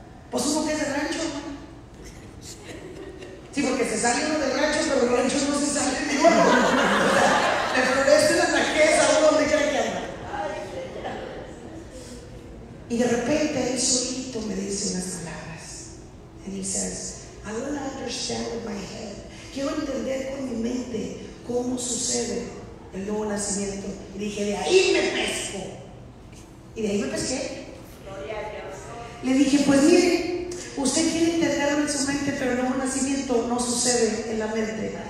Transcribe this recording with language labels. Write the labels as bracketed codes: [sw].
[es] Pues uno que es de rancho, ¿no? Sí, porque se sale uno de rancho, pero los ranchos no se salen de nuevo. Le florece la tragedia a uno donde quiera que anda. Y de repente él solito me dice unas palabras. [en] And he says, I don't understand with my head. [es] Quiero entender con mi mente cómo sucede el nuevo nacimiento. Y dije, de ahí me pesco. Y de ahí me pesqué. Gloria a Dios. Le dije, pues mire, usted quiere entenderlo en su mente, pero el nuevo nacimiento no sucede en la mente.